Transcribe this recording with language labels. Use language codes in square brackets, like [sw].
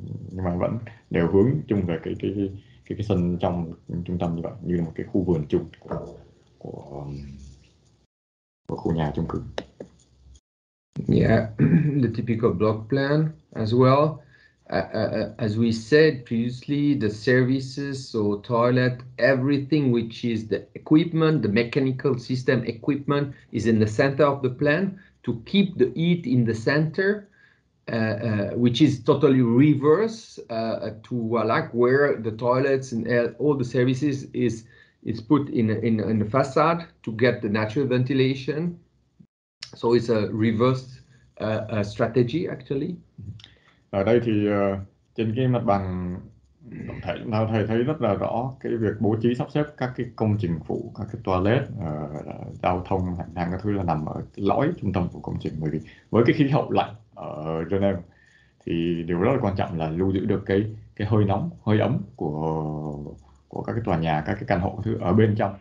[vi] nhưng mà vẫn đều hướng chung về cái sân trong trung tâm như vậy, như là một cái khu vườn chung của khu nhà chung cư. [en] Yeah, the typical block plan as well. As we said previously, the services, so toilet, everything which is the equipment, the mechanical system equipment, is in the center of the plan to keep the heat in the center, which is totally reverse to Wallach, where the toilets and all the services is put in the facade to get the natural ventilation. So it's a reverse strategy actually. [vi] Ở đây thì trên cái mặt bằng tổng thể chúng ta thấy rất là rõ cái việc bố trí sắp xếp các cái công trình phụ, các cái toilet, giao thông, hành lang, các thứ là nằm ở lõi trung tâm của công trình. Bởi vì với cái khí hậu lạnh ở Geneva thì điều rất là quan trọng là lưu giữ được cái hơi nóng, hơi ấm của các cái tòa nhà, các cái căn hộ, các thứ ở bên trong.